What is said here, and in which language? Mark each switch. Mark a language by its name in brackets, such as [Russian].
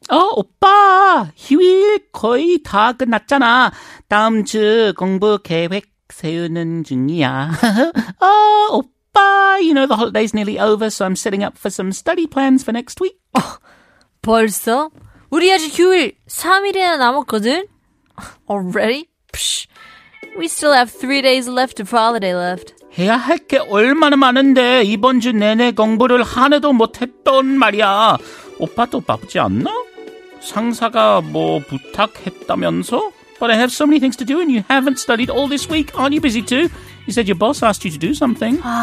[English] Oh, [Korean] 오빠, 휴일 거의 다 끝났잖아. 다음 주 공부 계획. 세우는 중이야. [English] Oh, oppa, you know the holiday's nearly over, so I'm setting up for some study plans for next week. Oh, [Korean] 벌써? 우리 아직 휴일 3일이나 남았거든? [English] Already? Psh. We still have 3 days left of holiday left. [Korean] 해야 할 게 얼마나 많은데 이번 주 내내 공부를 하나도 못했던 말이야. 오빠도 바쁘지 않나? 상사가 뭐 부탁했다면서? [English] But I have so many things to do and you haven't studied all this week. Aren't you busy too? You said your boss asked you to do something.